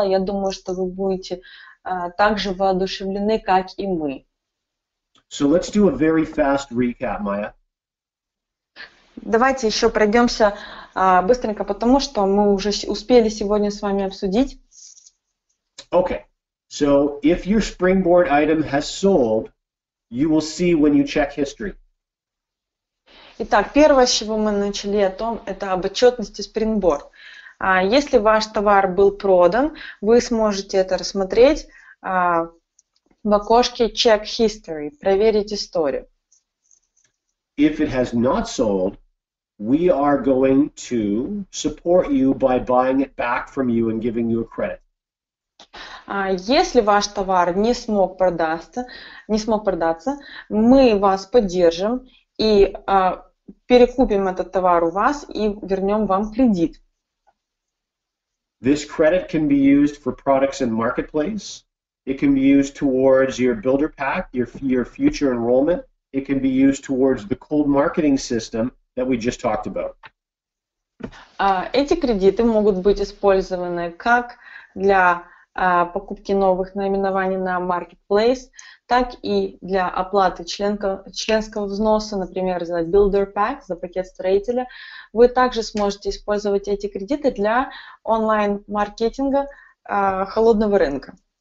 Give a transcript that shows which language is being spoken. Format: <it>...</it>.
<ru>Я думаю, что вы будете так же воодушевлены, как и мы.</ru> <en>So let's do a very fast recap, Maya.</en> <ru>Давайте еще пройдемся быстренько, потому что мы уже успели сегодня с вами обсудить.</ru> <en>Okay. So if your springboard item has sold, you will see when you check history.</en> <ru>Итак, первое, с чего мы начали о том, это об отчетности springboard. Если ваш товар был продан, вы сможете это рассмотреть в окошке check history, проверить историю.</ru> <en>If it has not sold, we are going to support you by buying it back from you and giving you a credit.</en> <ru>Если ваш товар не смог продаться, мы вас поддержим и перекупим этот товар у вас и вернем вам кредит.</ru> <en>This credit can be used for products in marketplace. It can be used towards your builder pack, your future enrollment. It can be used towards the cold marketing system that we just talked about.</en> <ru>Эти кредиты могут быть использованы как для покупки новых наименований на Marketplace, так и для оплаты членского взноса, например, за Builder Pack, за пакет строителя. Вы также сможете использовать эти кредиты для онлайн-маркетинга холодного рынка.</ru>